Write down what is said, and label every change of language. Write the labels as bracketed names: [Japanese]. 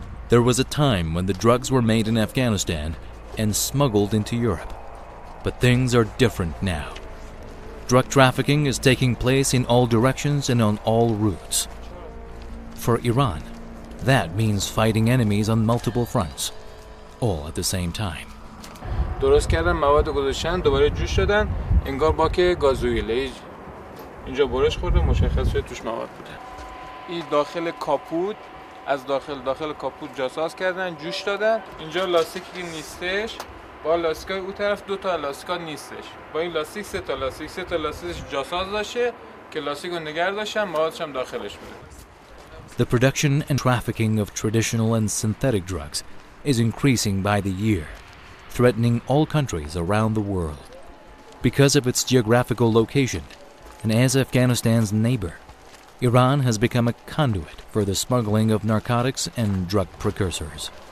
[English] There was a time when the drugs were made in Afghanistan and smuggled into Europe. But things are different now. Drug trafficking is taking place in all directions and on all routes. For Iran, that means fighting enemies on multiple fronts, all at the same time. [Persian] درست کردن مواد گذاشتن دوباره جوش شدن انگار باک گازوئیله اینجا برش خورده مشخص شده توش مواد بوده این داخل کاپوت از داخل کاپوت جاساز کردن جوش دادن اینجا لاستیکی نیستش با لاستیکای اون طرف دو تا لاستیکا نیستش با این لاستیک سه تا لاستیکش جاساز باشه که لاستیکو نگه داشتن موادش هم داخلش بوده. [English] The production and trafficking of traditional and synthetic drugs is increasing by the year, threatening all countries around the world. Because of its geographical location and as Afghanistan's neighbor, Iran has become a conduit for the smuggling of narcotics and drug precursors.